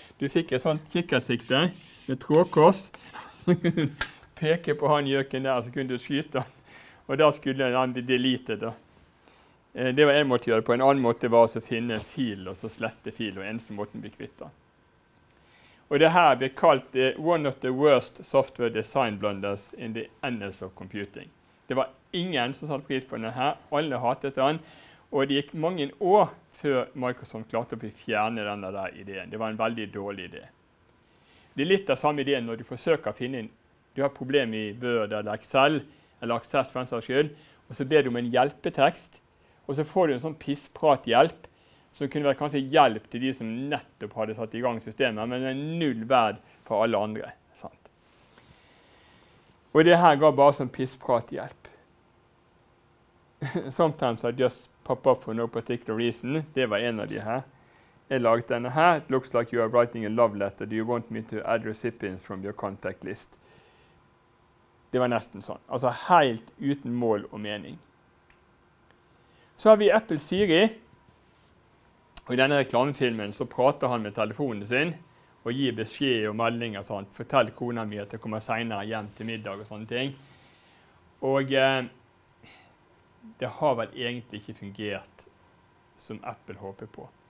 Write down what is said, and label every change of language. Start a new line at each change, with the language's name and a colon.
Norwegian: Du fikk et sånt kikkersikte med trådkors, så kunne du peke på han gjøken der, så kunne du skyte han. Og da skulle han bli deletet da. Det var en måte å gjøre det på. En annen måte var å finne en fil, og så slette fil, og eneste måten blir kvittet. Og det her blir kalt
English: one of the worst software design blunders in the annals of computing.
Norwegian: Det var ingen som satt pris på denne her. Alle hatet den. Og det gikk mange år før Microsoft klarte å fjerne denne der ideen. Det var en veldig dårlig idé. Det er litt av samme ideen når du forsøker å finne inn. Du har problemer i Word eller Excel, eller Access for en slags skyld, og så ber du om en hjelpetekst. Og så får du en sånn pisspratehjelp, som kunne vært kanskje hjelp til de som nettopp hadde satt i gang systemet, men en null verd for alle andre. Sant? Og det her går bare som pisspratehjelp.
English: Sometimes I just pop up for no particular reason.
Norwegian: Det var en av de her. Jeg lagde denne her.
English: It looks like you are writing a love letter. Do you want me to add recipients from your contact list?
Norwegian: Det var nesten sånn. Altså helt uten mål og mening. Så har vi Apple Siri, og i denne reklamefilmen så prater han med telefonen sin og gir beskjed og meldinger og sånt. Fortell kona mi at jeg kommer senere hjem til middag og sånne ting. Og det har vel egentlig ikke fungert som Apple håper på.